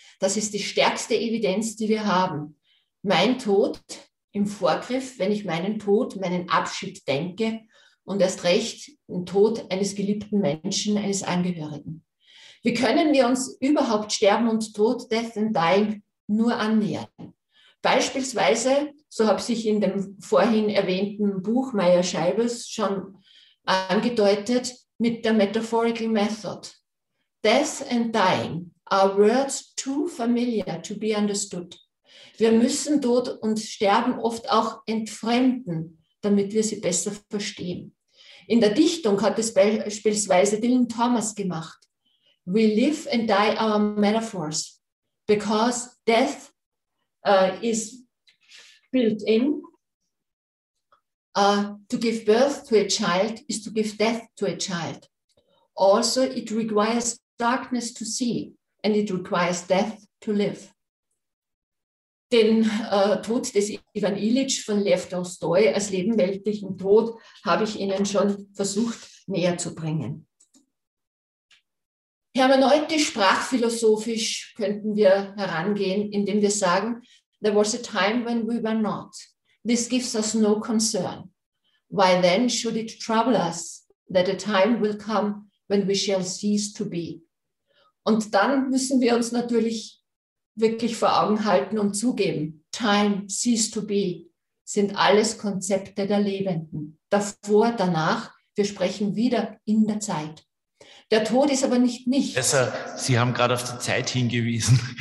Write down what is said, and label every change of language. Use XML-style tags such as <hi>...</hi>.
<de>Das ist die stärkste Evidenz, die wir haben. Mein Tod im Vorgriff, wenn ich meinen Tod, meinen Abschied denke und erst recht den Tod eines geliebten Menschen, eines Angehörigen. Wie können wir uns überhaupt Sterben und Tod, Death and Dying, nur annähern? Beispielsweise, so habe ich in dem vorhin erwähnten Buch Meyer Scheibels schon angedeutet, mit der Metaphorical Method.</de> <en>Death and Dying are words too familiar to be understood.</en> <de>Wir müssen Tod und Sterben oft auch entfremden, damit wir sie besser verstehen. In der Dichtung hat es beispielsweise Dylan Thomas gemacht.</de> <en>We live and die our metaphors, because death is built in. To give birth to a child is to give death to a child. Also, it requires darkness to see and it requires death to live.</en> <de>Den Tod des Ivan Illich von Lev Tolstoi als lebenweltlichen Tod habe ich Ihnen schon versucht näher zu bringen. Hermeneutisch, sprachphilosophisch könnten wir herangehen, indem wir sagen, there was a time when we were not.</de> <en>This gives us no concern. Why then should it trouble us that a time will come when we shall cease to be?</en> <de>Und dann müssen wir uns natürlich wirklich vor Augen halten und zugeben, time, cease to be, sind alles Konzepte der Lebenden. Davor, danach, wir sprechen wieder in der Zeit. Der Tod ist aber nicht nichts. Besser, Sie haben gerade auf die Zeit hingewiesen.</de>